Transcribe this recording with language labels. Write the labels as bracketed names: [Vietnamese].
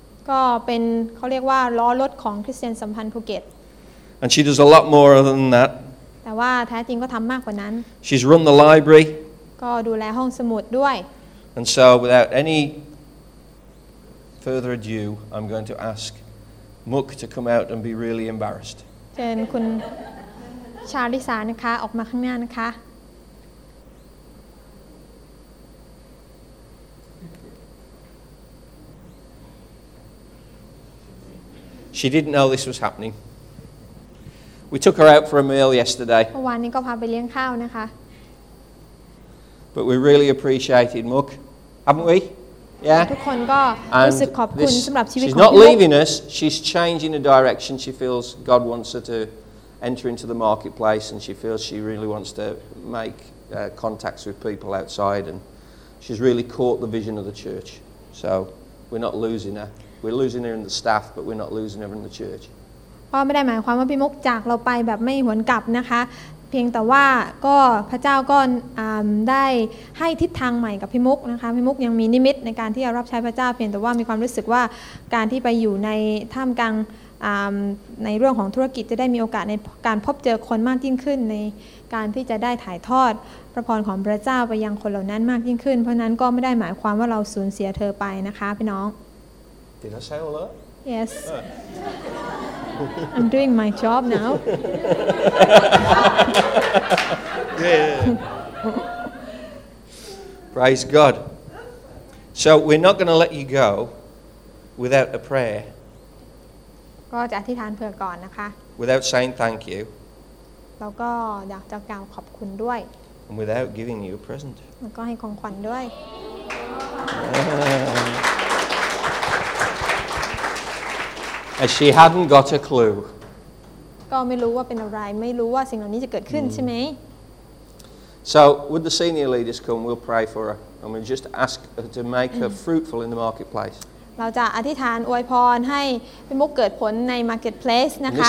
[Thai] ก็เป็นเขาเรียกว่าล้อรถของคริสเตียนสัมพันธ์ภูเก็ต [English] And she does a lot more than that [Thai] แต่ว่าแท้จริงก็ทำมากกว่านั้น [English] She's run the library [Thai] ก็ดูแลห้องสมุดด้วย [English] And so without any further ado I'm going to ask Mook to come out and be really embarrassed [Thai] เชิญคุณชาลิสานะคะออกมาข้างหน้านะคะ [English] She didn't know this was happening. We took her out for a meal yesterday. [Thai] วันนี้ก็พาไปเลี้ยงข้าวนะคะ [English] But we really appreciated Mook, haven't we? Yeah. [Thai] ทุกคนก็รู้สึกขอบคุณสำหรับชีวิตของ [English] She's not leaving us. She's changing a direction. She feels God wants her to enter into the marketplace, and she feels she really wants to make contacts with people outside. And she's really caught the vision of the church. So we're not losing her. We're losing her in the staff, but we're not losing her in the church. [Thai] ไม่ได้หมายความว่าพี่มุกจากเราไปแบบไม่หวนกลับนะคะเพียงแต่ว่าก็พระเจ้าก็ได้ให้ทิศทางใหม่กับพี่มุกนะคะพี่มุกยังมีนิมิตในการที่จะรับใช้พระเจ้าเพียงแต่ว่ามีความรู้สึกว่าการที่ไปอยู่ในท่ามกลางในเรื่องของธุรกิจจะได้มีโอกาสในการพบเจอคนมากยิ่งขึ้นในการที่จะได้ถ่ายทอดพระพรของพระเจ้าไปยังคนเหล่านั้นมากยิ่งขึ้นเพราะนั้นก็ไม่ได้หมายความว่าเราสูญเสียเธอไปนะคะพี่น้อง [English] Did I say all that? Yes. I'm doing my job now. Praise God. So we're not going to let you go without a prayer. [Thai] ก็จะอธิษฐานเผื่อก่อนนะคะ [English] Without saying thank you. [Thai] แล้วก็อยากจะกล่าวขอบคุณด้วย [English] And without giving you a present. [Thai] แล้วก็ให้ของขวัญด้วย [English] And she hadn't got a clue. [Thai] ก็ไม่รู้ว่าเป็นอะไรไม่รู้ว่าสิ่งเหล่านี้จะเกิดขึ้นใช่ไหม [English] So would the senior leaders come? We'll pray for her, and we'll just ask her to make her fruitful in the marketplace. [Thai] เราจะอธิษฐานอวยพรให้เป็นมุกเกิดผลใน marketplace นะคะ